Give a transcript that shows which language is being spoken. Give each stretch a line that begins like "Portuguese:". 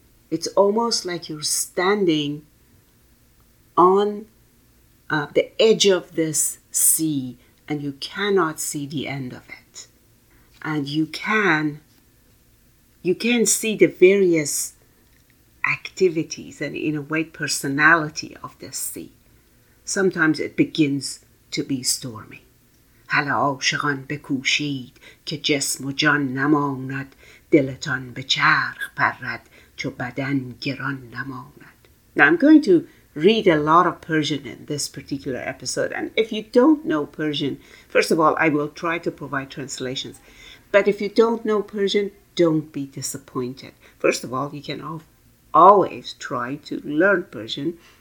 English: It's almost like you're standing on the edge of this sea and you cannot see the end of it. And you can see the various activities and, in a way, personality of this sea. Sometimes it begins to be stormy.
Persian: حالا عاشقان بکوشید که جسم و جان نماند دلتان به چرخ پرد چو بدن گران نماند.
English: Now I'm going to read a lot of Persian in this particular episode, and if you don't know Persian, first of all, I will try to provide translations, but if you don't know Persian, don't be disappointed. First of all, you can always try to learn Persian.